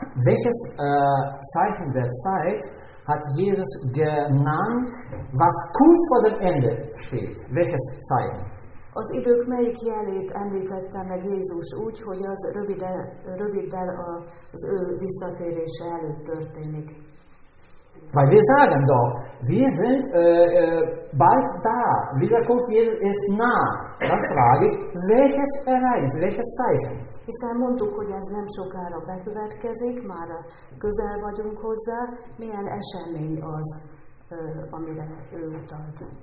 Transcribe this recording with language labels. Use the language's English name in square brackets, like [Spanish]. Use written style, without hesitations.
[German] Welches Zeichen der Zeit hat Jesus genannt, was kurz vor dem Ende steht? Welches Zeichen? [Hungarian] Az idők melyik jelét említette meg Jézus úgy, hogy az röviddel az ő visszatérése előtt történik. [German] Weil wir sagen doch, wir sind bald da. Wiederkunft Jesus ist nah. Dann frage ich, welches Ereignis, welches Zeichen? [Hungarian] Hiszen mondtuk, hogy ez nem sokára bekövetkezik, már közel vagyunk hozzá. Milyen esemény az, amire ő utalt?